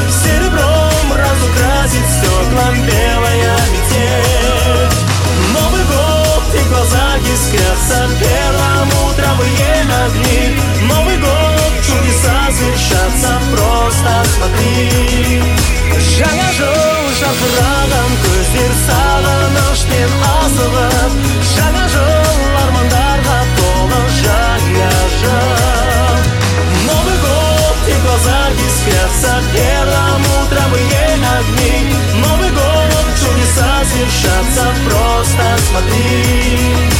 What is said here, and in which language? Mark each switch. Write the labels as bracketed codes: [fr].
[ru] Серебром разукрасит стеклам белая метель. Новый год и в глазах искрятся первым утром ее огни. Новый год чудеса свершатся, просто смотри. [kk] Жаңа жыл жарқыраған көздер, сағыныш пен асығы. Жаңа жыл армандарға толы жаңа жыл. [ru] Новый год и в глазах искрятся первым утром ее огни. Новый год чудеса свершатся, просто смотри.